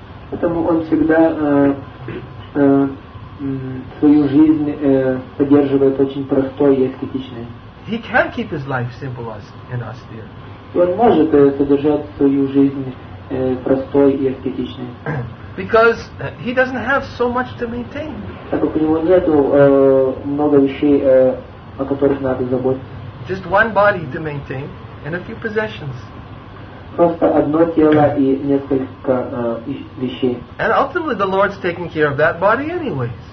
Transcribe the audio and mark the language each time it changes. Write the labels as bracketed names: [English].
[Russian] Поэтому он всегда свою жизнь поддерживает очень простой и аскетичной. [English] He can keep his life simple and austere. [Russian] И он может содержать свою жизнь простой и аскетичный. [English] Because he doesn't have so much to maintain. [Russian] Так как у него нету много вещей, о которых надо заботиться. [English] Just one body to maintain and a few possessions. [Russian] Просто одно тело и несколько вещей. [English] And ultimately the Lord's taking care of that body anyways.